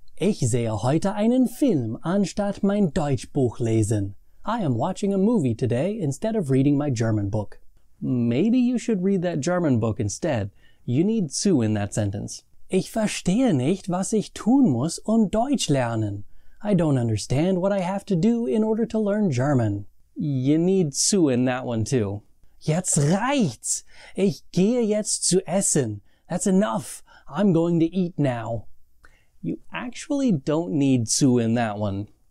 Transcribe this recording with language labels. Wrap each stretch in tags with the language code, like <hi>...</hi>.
<de>Ich sehe heute einen Film anstatt mein Deutschbuch lesen.</de> <en>I am watching a movie today instead of reading my German book. Maybe you should read that German book instead. You need zu in that sentence.</en> <de>Ich verstehe nicht, was ich tun muss, um Deutsch lernen.</de> <en>I don't understand what I have to do in order to learn German. You need zu in that one too.</en> <de>Jetzt reicht's! Ich gehe jetzt zu essen.</de> <en>That's enough. I'm going to eat now. You actually don't need zu in that one.</en>